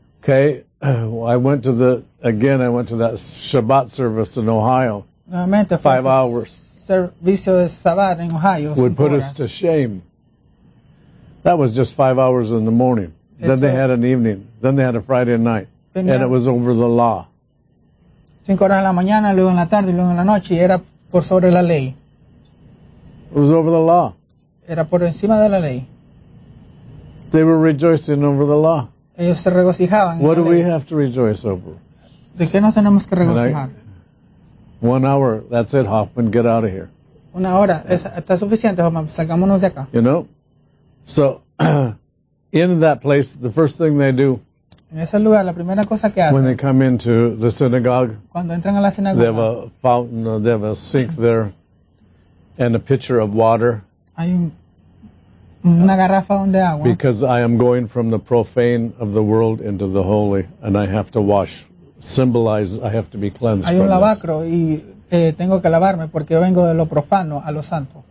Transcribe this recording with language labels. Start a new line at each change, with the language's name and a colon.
English: Okay, I went to I went to that Shabbat service in Ohio.
Spanish: Nuevamente,
English: 5 hours.
Spanish: Servicio de Shabbat en Ohio.
English: Would put us to shame. That was just 5 hours in the morning. Then they had an evening. Then they had a Friday night. And it was over the law.
Spanish: 5 horas en la mañana, luego en la tarde, luego en la noche, y era por sobre la ley.
English: It was over the law.
Spanish: Era por encima de la ley.
English: They were rejoicing over the law.
Spanish: Ellos se regocijaban.
English: What do we have to rejoice over?
Spanish: ¿De qué nos tenemos que regocijar?
English: 1 hour, that's it, Hoffman, get out of here.
Spanish: Una hora, está suficiente, Hoffman, salgámonos de acá.
English: You know? So, in that place, the first thing they do,
Spanish: en ese lugar, la primera cosa que hacen,
English: when they come into the synagogue,
Spanish: cuando entran a la sinagoga,
English: they have a fountain, they have a sink there, and a pitcher of water.
Spanish: Hay una garrafa donde agua.
English: Because I am going from the profane of the world into the holy, and I have to wash. Symbolize, I have to be cleansed.
Spanish: Hay un lavacro y tengo que lavarme porque vengo de lo profano a lo santo.